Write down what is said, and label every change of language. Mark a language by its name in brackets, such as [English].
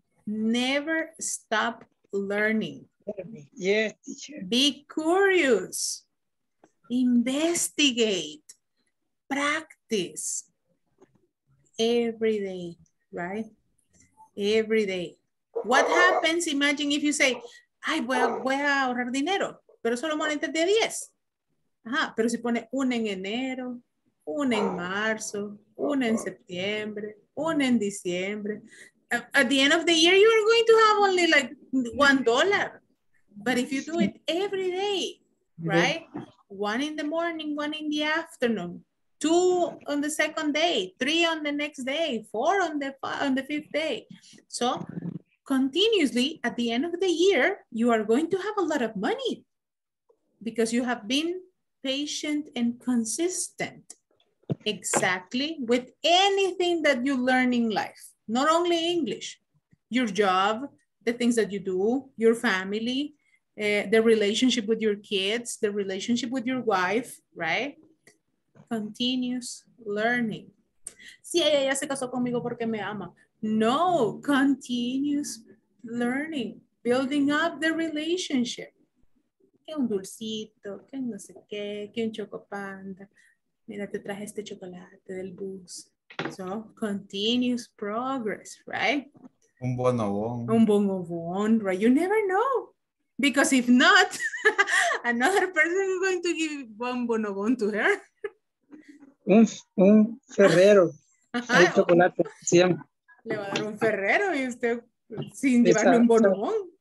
[English] Never stop learning. Yes, teacher. Be curious. Investigate. Practice. Every day, right? Every day. What happens, imagine if you say, [Spanish] ay, voy a ahorrar dinero, pero solo monedas de 10. Ajá, pero si pone una en enero, una en marzo, una en septiembre, una en diciembre. [English] At the end of the year, you are going to have only like $1. But if you do it every day, right? One in the morning, one in the afternoon, two on the second day, three on the next day, four on the fifth day. So continuously, at the end of the year, you are going to have a lot of money because you have been patient and consistent exactly with anything that you learn in life, not only English, your job, the things that you do, your family, the relationship with your kids, the relationship with your wife, right? Continuous learning. [Spanish] Sí, ella se casó conmigo porque me ama. [English] No, continuous learning, building up the relationship. [Spanish] Que un dulcito, que no sé qué, que un chocopanda. Mira, te traje este chocolate del bus. [English] So, continuous progress, right? [Spanish] Un bonobón. [English] Un bonobón, right? You never know. Because if not, another person is going to give one bonobón to her. [Spanish] Un ferrero. Un chocolate. Le va a dar un ferrero y usted sin llevarle un bonobón.